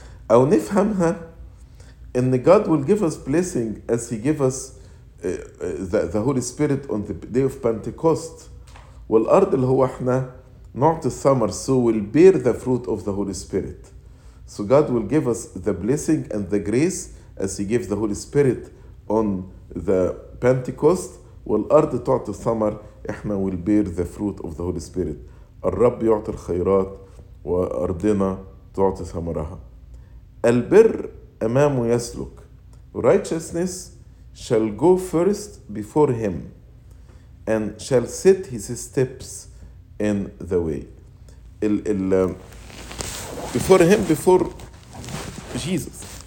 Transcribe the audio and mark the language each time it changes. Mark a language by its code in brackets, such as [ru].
[ar] أو نفهمها أن [en] God will give us blessing as he gave us the Holy Spirit on the day of Pentecost. [ar] والأرض اللي هو إحنا نعطي الثمر, [en] so will bear the fruit of the Holy Spirit. So God will give us the blessing and the grace as he gave the Holy Spirit on the Pentecost. [ar] والأرض تعطي الثمر, إحنا [en] will bear the fruit of the Holy Spirit. [ar] الرب يعطي الخيرات وأرضنا تعطي ثمرها. البر أمامه يسلك. [en] Righteousness shall go first before him and shall set his steps in the way. Before him, before Jesus.